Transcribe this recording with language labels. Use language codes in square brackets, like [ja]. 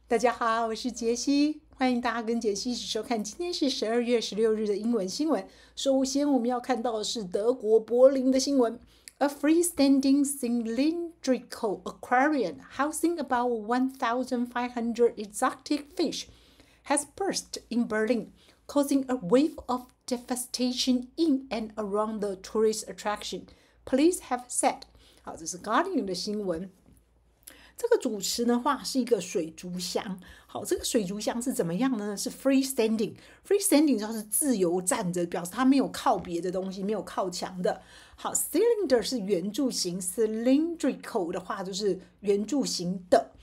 [zh] 大家好，我是杰西，欢迎大家跟杰西一起收看。今天是12月16日的英文新闻。首先我们要看到的是德国柏林的新闻。 [en] A freestanding cylindrical aquarium housing about 1,500 exotic fish has burst in Berlin, causing a wave of devastation in and around the tourist attraction. Police have said. [zh] 好，这是 Guardian 的新闻。这个主持的话是一个水族箱。好，这个水族箱是怎么样的呢？是 freestanding。freestanding 就是自由站着，表示它没有靠别的东西，没有靠墙的。好， cylinder 是圆柱形， cylindrical 的话就是圆柱形的。